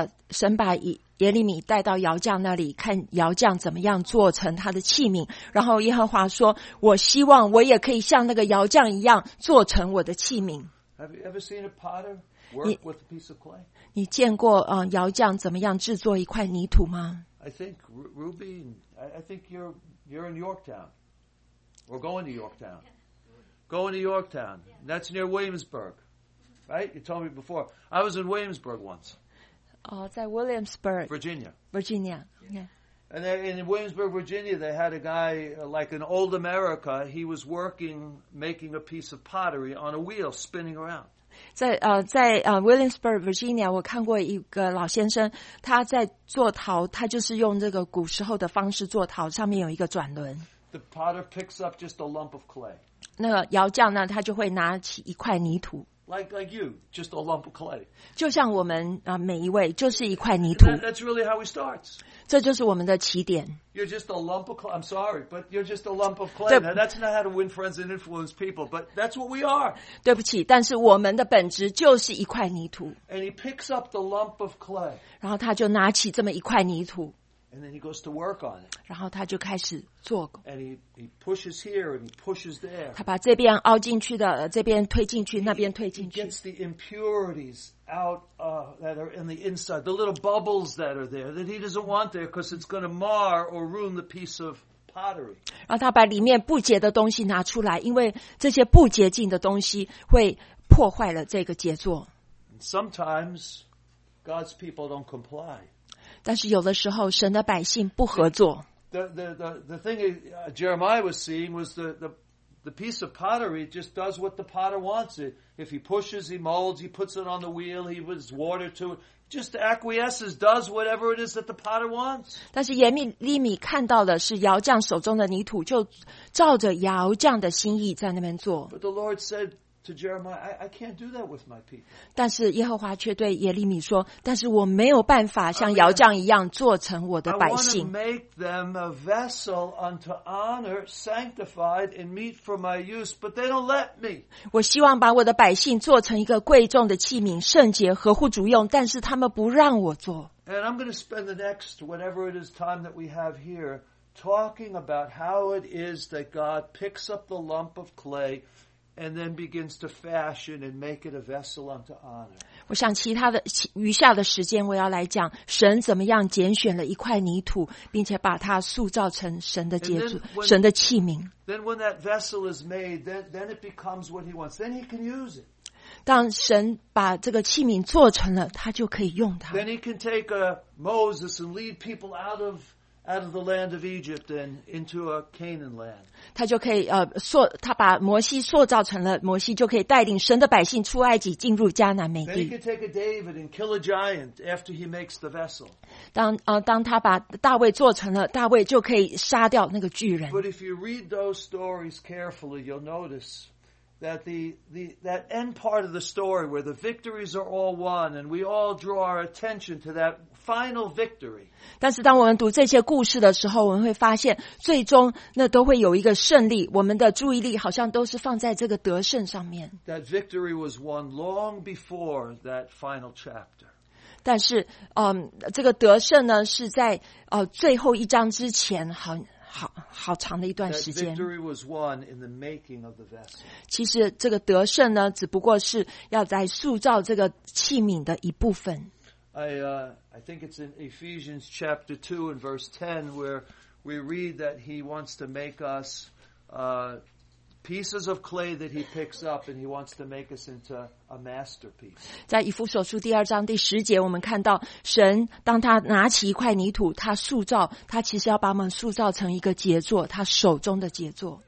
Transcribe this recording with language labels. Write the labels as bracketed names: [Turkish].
[Chinese] 神把耶利米带到窑匠那里，看窑匠怎么样做成他的器皿。然后耶和华说，我希望我也可以像那个窑匠一样做成我的器皿。 [English] Have you ever seen a potter work with a piece of clay? [Chinese] 你见过窑匠怎么样制作一块泥土吗？ [English] I think Ruby, I think you're in Yorktown. Or going to Yorktown. Going to Yorktown. That's near Williamsburg. Right? You told me before. I was in Williamsburg once. [Chinese] 在 Williamsburg, [English] Virginia. Virginia, yeah. And in Williamsburg, Virginia, they had a guy like an old America. He was working, making a piece of pottery on a wheel, spinning around. [Chinese] 在 Williamsburg, Virginia, 我看过一个老先生，他在做陶，他就是用这个古时候的方式做陶，上面有一个转轮。 [English] The potter picks up just a lump of clay. [Chinese] 那个窑匠呢，他就会拿起一块泥土。 [English] Like you, just a lump of clay. [Chinese] 就像我们每一位就是一块泥土。 [English] That's really how we start. [Chinese] 这就是我们的起点。 [English] You're just a lump of clay. I'm sorry, but you're just a lump of clay. Now, that's not how to win friends and influence people, but that's what we are. [Chinese] 对不起，但是我们的本质就是一块泥土。 [English] And he picks up the lump of clay. [Chinese] 然后他就拿起这么一块泥土。 [English] And then he goes to work on it. [Chinese] 然后他就开始做。 [English] And he pushes here and he pushes there. [Chinese] 他把这边凹进去的，这边推进去，那边推进去。 [English] He gets the impurities out, that are in the inside, the little bubbles that are there that he doesn't want there because it's going to mar or ruin the piece of pottery. [Chinese] 然后他把里面不洁的东西拿出来，因为这些不洁净的东西会破坏了这个杰作。 [English] Sometimes God's people don't comply. [Chinese] 但是有的时候，神的百姓不合作。 [English] The thing Jeremiah was seeing was the piece of pottery just does what the potter wants it. If he pushes, he molds, he puts it on the wheel, he puts water to it, just acquiesces, does whatever it is that the potter wants. [Chinese] 但是耶利米看到的是窑匠手中的泥土，就照着窑匠的心意在那边做。 [English] But the Lord said. To Jeremiah, I can't do that with my people. [Chinese] 但是耶和华却对耶利米说，但是我没有办法像窑匠一样做成我的百姓。 [English] I want to make them a vessel unto honor, sanctified and meet for my use, but they don't let me. [Chinese] 我希望把我的百姓做成一个贵重的器皿，圣洁，合乎主用，但是他们不让我做。 [English] And I'm going to spend the next whatever it is time that we have here talking about how it is that God picks up the lump of clay. And then begins to fashion and make it a vessel unto honor. [Chinese] 我想其他的余下的时间，我要来讲神怎么样拣选了一块泥土，并且把它塑造成神的杰作、神的器皿。 [English] Then when that vessel is made, then it becomes what he wants. Then he can use it. [Chinese] 当神把这个器皿做成了，他就可以用它。 [English] Then he can take a Moses and lead people out of the land of Egypt and into a Canaan land. [Chinese] 他就可以他把摩西塑造成了摩西，就可以带领神的百姓出埃及，进入迦南美地。 [English] Then he could take a David and kill a giant after he makes the vessel. [Chinese] 当他把大卫做成了，大卫就可以杀掉那个巨人。 [English] But if you read those stories carefully, you'll notice that that end part of the story where the victories are all won and we all draw our attention to that. Final victory. [Chinese] 但是当我们读这些故事的时候，我们会发现，最终那都会有一个胜利。我们的注意力好像都是放在这个得胜上面。 [English] That victory was won long before that final chapter. [Chinese] 但是，这个得胜呢，是在最后一章之前，好长的一段时间。 [English] That victory was won in the making of the vessel. [Chinese] 其实这个得胜呢，只不过是要在塑造这个器皿的一部分。 [English] I think it's in Ephesians chapter 2 and verse 10 where we read that he wants to make us pieces of clay that he picks up and he wants to make us into a masterpiece. [Chinese] 在以弗所书第二章第十节，我们看到神当他拿起一块泥土，他塑造，他其实要把我们塑造成一个杰作，他手中的杰作。